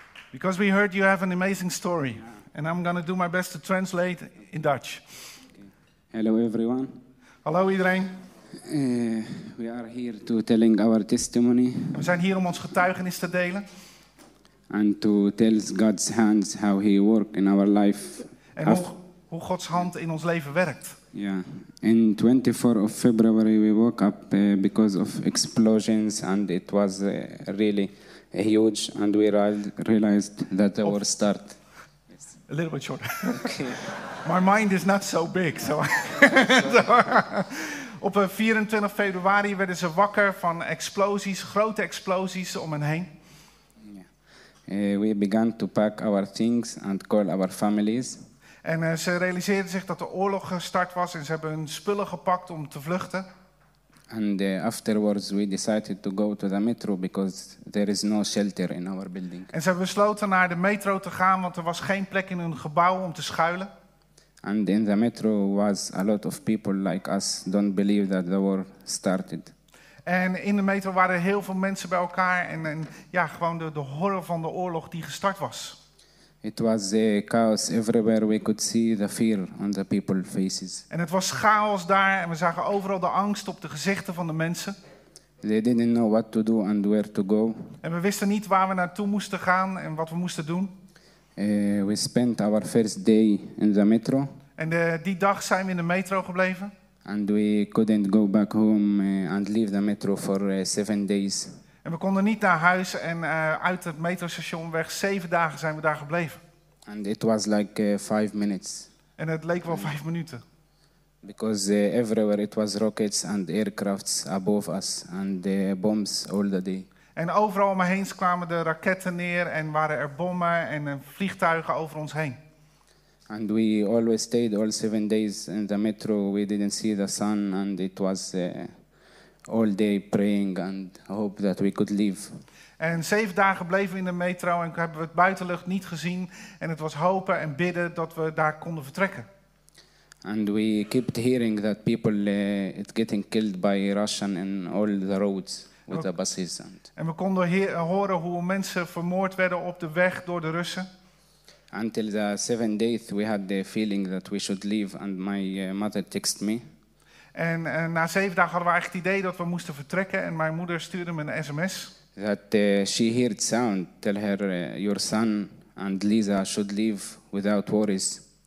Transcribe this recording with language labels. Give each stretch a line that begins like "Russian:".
English: Because we heard you have an amazing story. And I'm going to do my best to translate in Dutch. Okay. Hello everyone.
Dutch: Hallo iedereen.
English: We are here to telling our testimony.
Dutch: We zijn hier om ons getuigenis te delen.
English: And to tell God's hands how he worked in our life.
Dutch: En hoe Gods hand in ons leven werkt. Ja, yeah.
English: In 24 of February we woke up because of explosions and it was really huge and we realized that the war start. Yes. A little bit short. Okay. My mind is not so big. So. So.
Dutch: Op 24 februari werden ze wakker van explosies, grote explosies om hen heen. Yeah.
English: We began to pack our things and call our families.
Dutch: En ze realiseerden zich dat de oorlog gestart was en ze hebben hun spullen gepakt om te vluchten.
English: And afterwards we decided to go to the metro because there is no shelter in our building.
Dutch: En ze hebben besloten naar de metro te gaan, want er was geen plek in hun gebouw om te schuilen.
English: And in the metro was a lot of people like us don't believe that the war started.
Dutch: En in de metro waren heel veel mensen bij elkaar en ja, gewoon de horror van de oorlog die gestart was.
English: It was chaos everywhere. We could see the fear on the people's faces.
Dutch: En het was chaos daar en we zagen overal de angst op de gezichten van de mensen.
English: They didn't know what to do and where to go.
Dutch: En we wisten niet waar we naartoe moesten gaan en wat we moesten doen.
English: We spent our first day in the metro.
Dutch: En die dag zijn we in de metro gebleven.
English: And we couldn't go back home and leave the metro for 7 days.
Dutch: En we konden niet naar huis en uit het metrostation weg. 7 dagen zijn we daar gebleven.
English: And it was like 5 minutes.
Dutch: En het leek wel 5 minuten.
English: Because everywhere it was rockets and aircrafts above us and bombs all the day.
Dutch: En overal om me heen kwamen de raketten neer en waren er bommen en vliegtuigen over ons heen.
English: And we always stayed all 7 days in the metro. We didn't see the sun and it was all day praying and hope that we could leave.
Dutch: En 7 dagen bleven we in de metro en hebben we het buitenlucht niet gezien. En het was hopen en bidden dat we daar konden vertrekken.
English: And we kept hearing that people getting killed by Russian in all the roads with the buses.
Dutch: En we konden horen hoe mensen vermoord werden op de weg door de Russen.
English: Until the 7th day we had the feeling that we should leave and my mother texted me.
Dutch: En na 7 dagen hadden we eigenlijk het idee dat we moesten vertrekken. En mijn moeder stuurde me een sms.
English: That she heard sound. Tell her your son and Lisa should leave without worries.